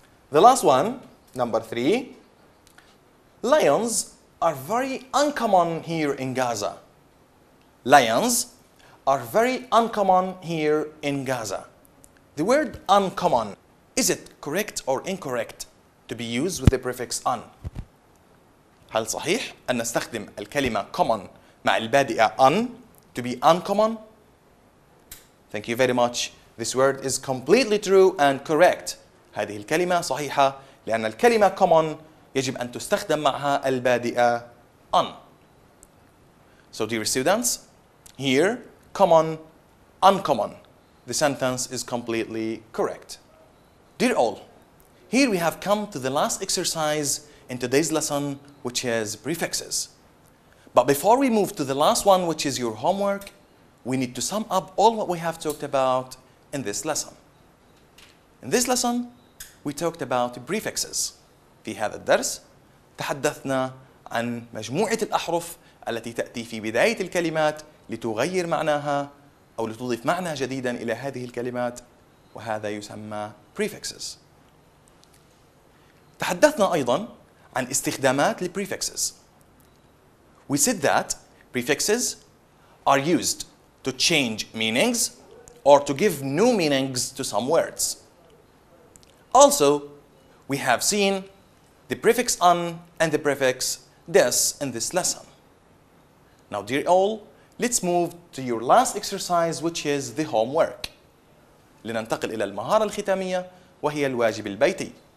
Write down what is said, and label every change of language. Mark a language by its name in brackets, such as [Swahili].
[English] The last one, number three. Lions are very uncommon here in Gaza. Lions are very uncommon here in Gaza. The word uncommon, is it correct or incorrect? to be used with the prefix un. [Arabic] هل صحيح أن نستخدم الكلمة common مع البادئة un [English] to be uncommon? Thank you very much. This word is completely true and correct. [Arabic] هذه الكلمة صحيحة لأن الكلمة common يجب أن تستخدم معها البادئة un. [English] So dear students, here common, uncommon. The sentence is completely correct. Dear all, here we have come to the last exercise in today's lesson, which is prefixes. But before we move to the last one, which is your homework, we need to sum up all what we have talked about in this lesson. In this lesson, we talked about prefixes. [Arabic] في هذا الدرس تحدثنا عن مجموعة الأحرف التي تأتي في بداية الكلمات لتغير معناها أو لتضيف معنى جديدا إلى هذه الكلمات وهذا يسمى prefixes. تحدثنا أيضا عن استخدامات للprefixes. [English] We said that prefixes are used to change meanings or to give new meanings to some words. Also, we have seen the prefix un and the prefix des in this lesson. Now, dear all, let's move to your last exercise, which is the homework. [Arabic] لننتقل إلى المهارة الختامية وهي الواجب البيتي.